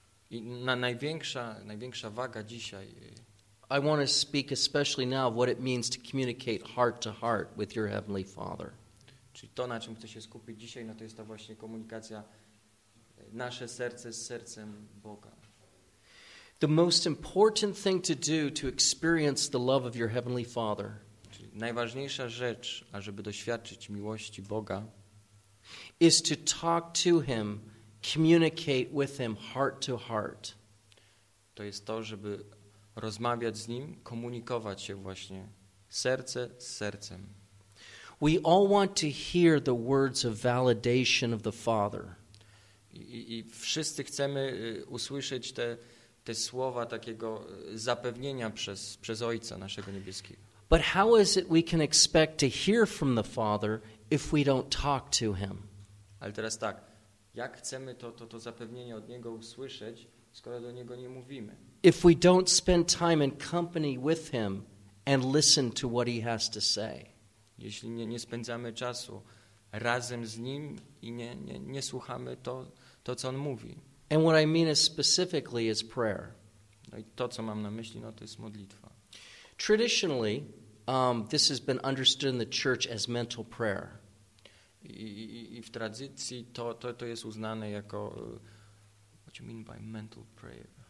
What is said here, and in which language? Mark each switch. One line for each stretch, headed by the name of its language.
Polish: i na największa waga dzisiaj,
English: I want to speak especially now of what it means to communicate heart to heart with your heavenly Father.
Polish: Czyli to, na czym chcę się skupić dzisiaj, no to jest ta właśnie komunikacja nasze serce z sercem Boga.
English: The most important thing to do to experience the love of your heavenly Father.
Polish: Czyli najważniejsza rzecz, ażeby doświadczyć miłości Boga,
English: is to talk to Him, communicate with Him heart to heart.
Polish: To jest to, żeby rozmawiać z Nim, komunikować się właśnie serce z sercem.
English: We all want to hear the words of validation of the Father.
Polish: I wszyscy chcemy usłyszeć te słowa takiego zapewnienia przez Ojca naszego niebieskiego.
English: But how is it we can expect to hear from the Father if we don't talk to Him?
Polish: Ale teraz tak, jak chcemy to zapewnienie od Niego usłyszeć, skoro do Niego nie mówimy?
English: If we don't spend time in company with Him and listen to what He has to say.
Polish: Jeśli nie spędzamy czasu razem z Nim i nie słuchamy to, co On mówi.
English: And what I mean is specifically is prayer.
Polish: No i to, co mam na myśli, no to jest modlitwa.
English: Traditionally, this has been understood in the church as mental prayer.
Polish: I w tradycji to jest uznane jako,
English: what do you mean by mental prayer?